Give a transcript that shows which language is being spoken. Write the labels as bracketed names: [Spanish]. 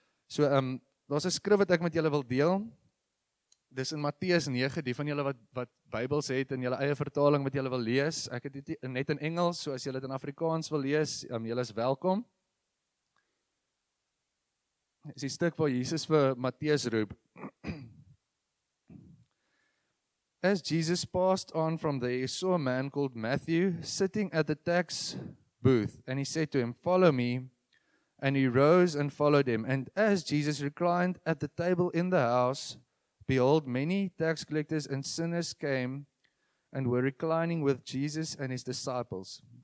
[Afrikaans] So, daar is een skrif wat ek met julle wil deel, dis in Matteus 9, die van julle wat Bybels het, en julle eie vertaling wat julle wil lees, ek het dit net in Engels, so as julle het in Afrikaans wil lees, julle is welkom. Is die stuk waar Jesus vir Matteus roep. [English] As Jesus passed on from there, he saw a man called Matthew sitting at the tax booth, and he said to him, "Follow me," and he rose and followed him. And as Jesus reclined at the table in the house, behold, many tax collectors and sinners came and were reclining with Jesus and his disciples.